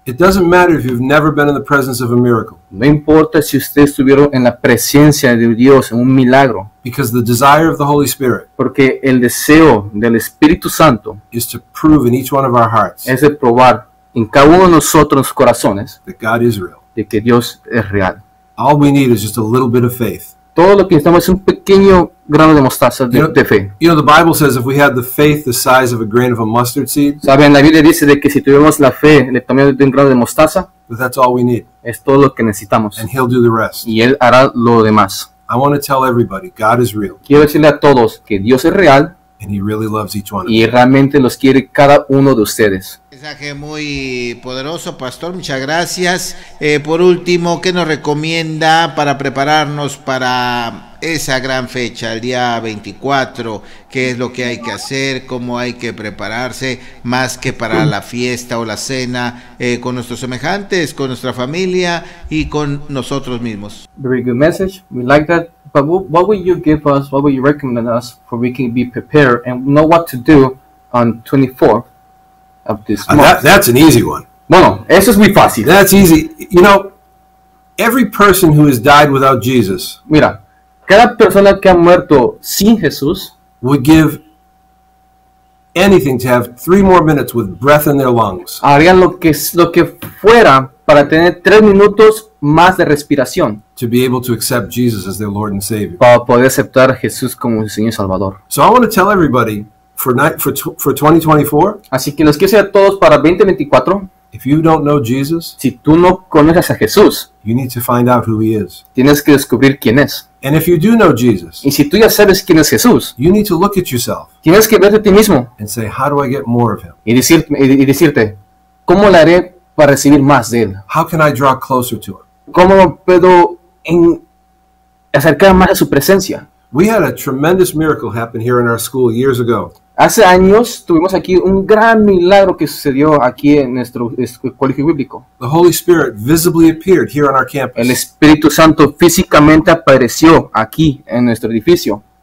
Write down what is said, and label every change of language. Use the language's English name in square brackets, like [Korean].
[English] It doesn't matter if you've never been in the presence of a miracle. [Spanish] No importa si ustedes estuvieron en la presencia de Dios en un milagro. [English] Because the desire of the Holy Spirit. [Spanish] Porque el deseo del Espíritu Santo. [English] Is to prove in each one of our hearts. [Spanish] Es de probar en cada uno de nosotros corazones. [English] That God is real. [Spanish] De que Dios es real. [English] All we need is just a little bit of faith. [Spanish] Todo lo que necesitamos es un pequeño grano de mostaza de fe. [English] You know, the Bible says if we had the faith the size of a grain of a mustard seed. [Spanish] Saben, la Biblia dice de que si tuviéramos la fe del tamaño de un grano de mostaza. [English] That's all we need. [Spanish] Es todo lo que necesitamos. [English] And he'll do the rest. [Spanish] Y él hará lo demás. [English] I want to tell everybody, God is real. [Spanish] Quiero decirle a todos que Dios es real. [English] And he really loves each one of you. [Spanish] Y realmente los quiere cada uno de ustedes. Mensaje muy poderoso, pastor. Muchas gracias. Por último, ¿qué nos recomienda para prepararnos para esa gran fecha, el día 24? ¿Qué es lo que hay que hacer? ¿Cómo hay que prepararse más que para la fiesta o la cena con nuestros semejantes, con nuestra familia y con nosotros mismos? [English] Very good message. We like that. But what would you give us? What would you recommend us for we can be prepared and know what to do on 24th? That's an easy one. [Spanish] Bueno, eso es muy fácil. [English] That's easy. You know, every person who has died without Jesus. [Spanish] Mira, cada persona que ha muerto sin Jesús [English] would give anything to have 3 more minutes with breath in their lungs. [Spanish] Harían lo que fuera para tener 3 minutos más de respiración. [English] To be able to accept Jesus as their Lord and Savior. [Spanish] Para poder aceptar a Jesús como su Señor Salvador. [English] So I want to tell everybody. For 2024. [Spanish] Así que los quiero decir a todos para 2024. [English] If you don't know Jesus, [Spanish] si tú no conoces a Jesús, [English] you need to find out who he is. [Spanish] Tienes que descubrir quién es. [English] And if you do know Jesus, [Spanish] y si tú ya sabes quién es Jesús, [English] you need to look at yourself. [Spanish] Tienes que verte a ti mismo. [English] And say, how do I get more of him? [Spanish] Y decirte, ¿cómo lo haré para recibir más de él? [English] How can I draw closer to him? [Spanish] ¿Cómo puedo acercar más a su presencia? [English] We had a tremendous miracle happen here in our school years ago. [Spanish] Hace años tuvimos aquí un gran milagro que sucedió aquí en nuestro colegio bíblico. [English] The Holy Spirit visibly appeared here on our campus. [Spanish] El Espíritu Santo físicamente apareció aquí en nuestro edificio.